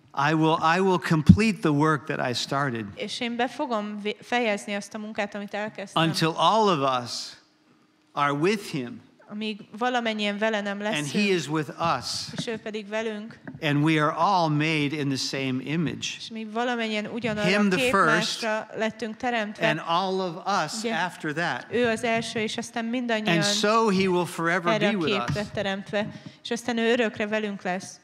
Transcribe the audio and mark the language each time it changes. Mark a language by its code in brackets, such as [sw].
[en] I will complete the work that I started. [hu] És én be fogom fejezni azt a munkát, amit elkezdtem. [en] Until all of us are with him. [hu] Amíg valamennyien vele nem leszünk, [en] and he is with us, [hu] és ő pedig velünk, [en] and we are all made in the same image. [hu] És mi valamennyien ugyanarra [en] him the first, [hu] lettünk teremtve, [en] and all of us [hu] ugye, [en] after that. [hu] Ő az első, és aztán mindannyian. [en] And so he will forever be with us. [hu] Teremtve, és aztán ő örökre velünk lesz.